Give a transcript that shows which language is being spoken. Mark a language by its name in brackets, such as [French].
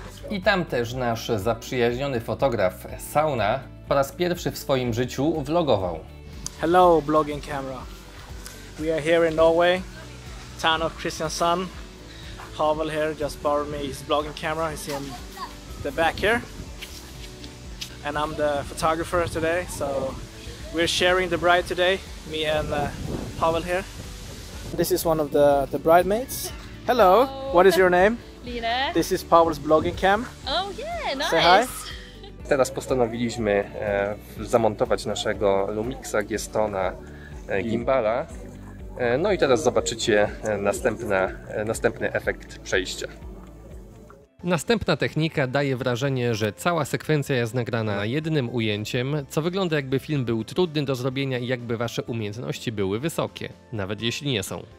[Polish] I tam też nasz zaprzyjaźniony fotograf Sauna po raz pierwszy w swoim życiu vlogował. [English] Hello, blogging camera. We are here in Norway, town of Kristiansand. Pavel here just borrowed me his blogging camera. He's in the back here. And I'm the photographer today. So we're sharing the bride today, me and Pavel here. This is one of the bridesmaids. Hello. Hello. What is your name? Lina. This is Pavel's blogging cam. Oh yeah, nice. Say hi. [Polish] Teraz postanowiliśmy zamontować naszego Lumixa G100na gimbala. No i teraz zobaczycie następny efekt przejścia. Następna technika daje wrażenie, że cała sekwencja jest nagrana jednym ujęciem, co wygląda jakby film był trudny do zrobienia i jakby wasze umiejętności były wysokie, nawet jeśli nie są.